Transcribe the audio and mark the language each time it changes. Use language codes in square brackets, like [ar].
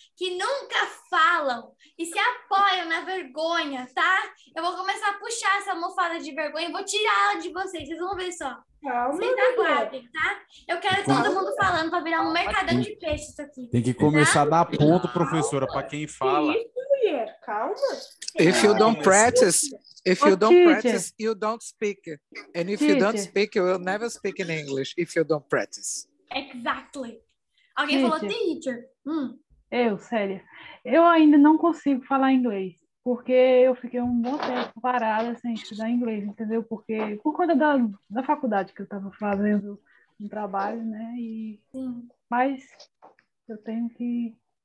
[pt] Que nunca falam e se apoiam na vergonha, tá? Eu vou começar a puxar essa almofada de vergonha e vou tirar ela de vocês. Vocês vão ver só. Calma, tá guardem, tá? Eu quero todo mundo falando pra virar um mercadão de peixe isso aqui. Tem que começar, tá? A dar ponto, professora, pra quem fala. Calma. [en] If you don't practice, if you don't practice, you don't speak. And if you don't speak, you will never speak in English if you don't practice. Exactly. [pt] Alguém falou teacher. Eu, sério. Eu ainda não consigo falar inglês, porque eu fiquei um bom tempo parada sem estudar inglês, entendeu? Porque por conta da faculdade que eu estava fazendo um trabalho, né? E mas eu tenho que.